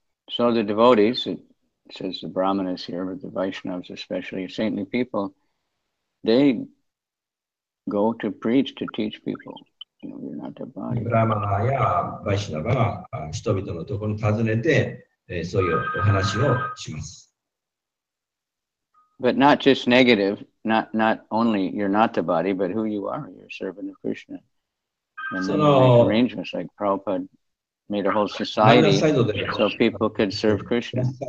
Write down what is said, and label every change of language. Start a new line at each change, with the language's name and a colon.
English: So the devotees, it says the Brahmanas here, but the Vaishnavas especially, saintly people, they go to preach to teach people. You're not the body.
Japanese: ブラマナやバイシナバが人々のところに訪ねて、そういうお話をします。
English: But not just negative, not only you're not the body, but who you are, you're a servant of Krishna. And then you make arrangements like Prabhupada made a whole society so people could serve Krishna.